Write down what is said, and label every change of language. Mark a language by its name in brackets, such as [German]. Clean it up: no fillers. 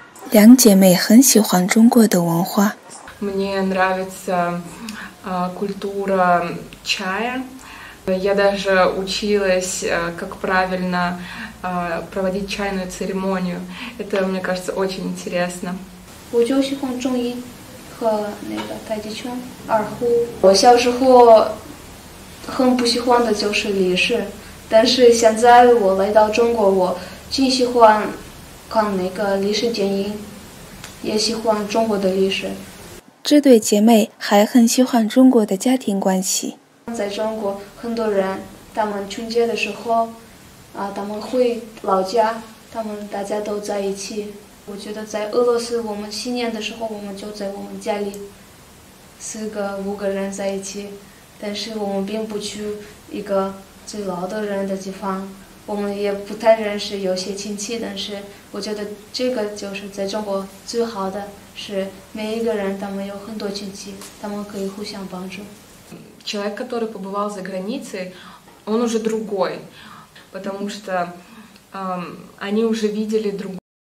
[Chinese] 两姐妹很喜欢中国的文化。 [Russian] Мне нравится культура чая. Я даже училась, как правильно проводить чайную церемонию. Это, мне кажется, очень интересно. [Chinese] 我就喜欢中医和那个太极拳、二胡。我小时候很不喜欢的就是历史。但是现在我来到中国，我挺喜欢看那个历史电影，也喜欢中国的历史。这对姐妹还很喜欢中国的家庭关系。在中国，很多人他们春节的时候，他们回老家，他们大家都在一起。我觉得在俄罗斯，我们新年的时候，我们就在我们家里，四个五个人在一起，但是我们并不去一个最老的人的地方，我们也不太认识有些亲戚，但是我觉得这个就是在中国最好的，是每一个人他们有很多亲戚，他们可以互相帮助。 [Russian] Человек, который побывал за границей, он уже другой, потому что они уже видели другое.